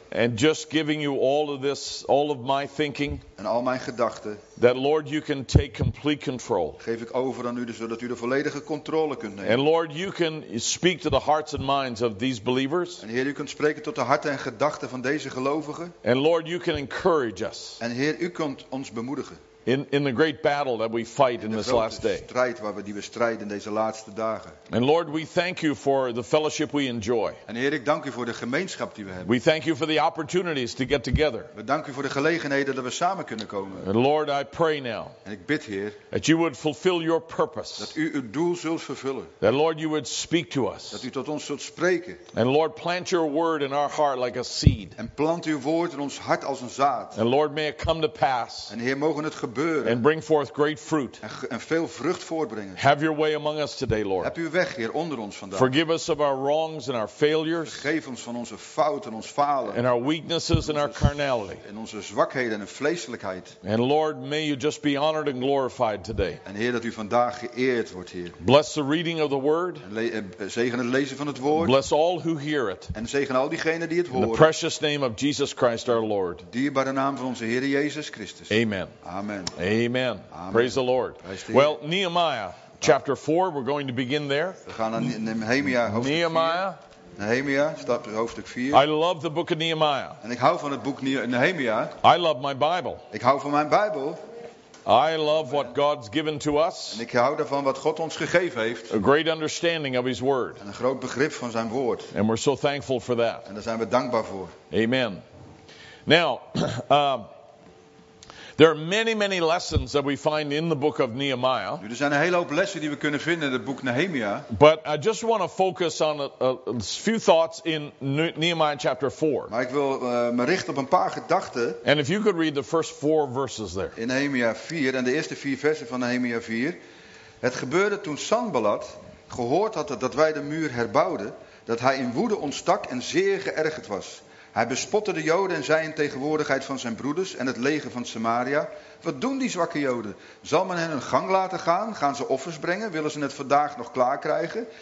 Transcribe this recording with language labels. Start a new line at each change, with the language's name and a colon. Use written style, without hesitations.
English: And just giving you all of this, all of my thinking.
Dutch: En al mijn gedachten.
English: That Lord, you can take complete control.
Dutch: Geef ik over aan u, zodat u de volledige controle kunt nemen.
English: And Lord, you can speak to the hearts and minds of these believers.
Dutch: En Heer, u kunt spreken tot de harten en gedachten van deze gelovigen.
English: And Lord, you can encourage us.
Dutch: En Heer, u kunt ons bemoedigen.
English: In the great battle that we fight in this last day.
Dutch: In de grote strijd die we strijden deze laatste dagen.
English: And Lord, we thank you for the fellowship we enjoy.
Dutch: En Heer, ik dank u voor de gemeenschap die we hebben.
English: We thank you for the opportunities to get together.
Dutch: We danken u voor de gelegenheden dat we samen kunnen komen.
English: And Lord, I pray now.
Dutch: En ik bid, Heer,
English: that you would fulfill your purpose.
Dutch: Dat u uw doel zult vervullen.
English: That Lord, you would speak to us.
Dutch: Dat u tot ons zult spreken.
English: And Lord, plant your word in our heart like a seed.
Dutch: En plant uw woord in ons hart als een zaad.
English: And Lord, may it come to pass.
Dutch: En Heer, mogen het gebeuren.
English: And bring forth great fruit.
Dutch: En veel vrucht voortbrengen.
English: Have your way among us today, Lord.
Dutch: Heb uw weg, Heer, onder ons vandaag.
English: Forgive us of our wrongs and our failures.
Dutch: Vergeef ons van onze fouten en ons falen.
English: And our weaknesses and our carnality.
Dutch: En onze zwakheden en vleeselijkheid.
English: And Lord, may you just be honored and glorified today.
Dutch: En Heer, dat u vandaag geëerd wordt, Heer.
English: Bless the reading of the word.
Dutch: Zegen het lezen van het woord.
English: Bless all who hear it.
Dutch: En zegen al diegenen die het horen.
English: In the precious name of Jesus Christ our Lord.
Dutch: Dierbare naam van onze Heer Jezus Christus.
English: Amen.
Dutch: Amen.
English: Amen. Praise the Lord. Well, Nehemiah chapter 4, we're going to begin there.
Dutch: We gaan naar Nehemia hoofdstuk 4. Nehemia, stap hoofdstuk 4.
English: I love the book of Nehemiah.
Dutch: En ik hou van het boek Nehemia.
English: I love my Bible.
Dutch: Ik hou van mijn Bijbel.
English: I love what God's given to us.
Dutch: En ik hou daarvan wat God ons gegeven heeft.
English: A great understanding of His Word.
Dutch: En een groot begrip van zijn woord.
English: And we're so thankful for that.
Dutch: En daar zijn we dankbaar voor.
English: Amen. Now, there are many, many lessons that we find in the book of Nehemiah.
Dutch: Er zijn een hele hoop lessen die we kunnen vinden in het boek Nehemia.
English: But I just want to focus on a few thoughts in Nehemiah chapter 4.
Dutch: Maar ik wil me richten op een paar gedachten.
English: And if you could read the first four verses there.
Dutch: In Nehemia 4, en de eerste vier versen van Nehemia 4. Het gebeurde toen Sanballat gehoord had dat wij de muur herbouwden, dat hij in woede ontstak en zeer geërgerd was. Hij bespotte de Joden en zei in tegenwoordigheid van zijn broeders en het leger van Samaria: wat doen die zwakke Joden? Zal men hen hun gang laten gaan? Gaan ze offers brengen? Willen ze het vandaag nog klaar krijgen?